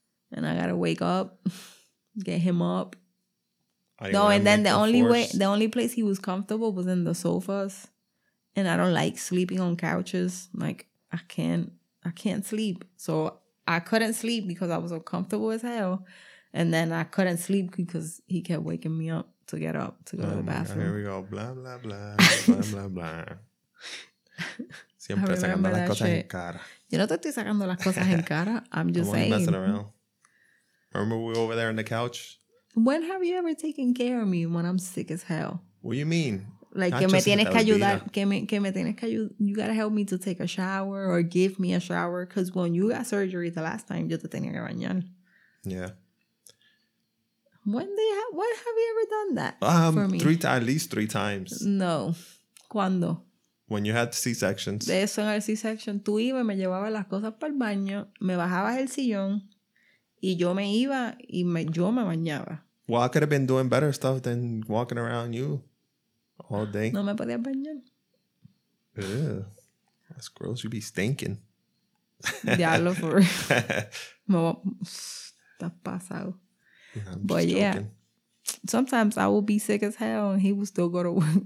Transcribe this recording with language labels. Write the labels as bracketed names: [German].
[English] And I gotta wake up, get him up. No, and then the only place he was comfortable was in the sofas. And I don't like sleeping on couches. Like I can't sleep. So I couldn't sleep because I was uncomfortable as hell. And then I couldn't sleep because he kept waking me up to get up to go to the bathroom. God, here we go. Blah blah blah. Blah blah blah. [Spanish] Siempre sacando las cosas en cara. Yo no te estoy sacando las cosas en cara. [English] I'm just saying. Messing around. Remember we were over there on the couch? When have you ever taken care of me when I'm sick as hell? What do you mean? Like, not [Spanish] que me tienes que ayudar. Que me tienes que ayudar. [English] You gotta help me to take a shower or give me a shower. Because when you got surgery the last time, [Spanish] yo te tenía que bañar. [English] Yeah. When have you ever done that for me? At least three times. [Spanish] No. ¿Cuándo? [English] When you had C-sections. [Spanish] De eso en el C-section. Tú ibas, me llevabas las cosas para el baño, me bajabas el sillón, y yo me iba y yo me bañaba. [English] Well, I could have been doing better stuff than walking around you all day. [Spanish] No me podías bañar. [English] Ew. That's gross. You'd be stinking. Diablo, for real. [Spanish] Estás pasado. [English] But joking. Yeah, sometimes I will be sick as hell and he will still go to work.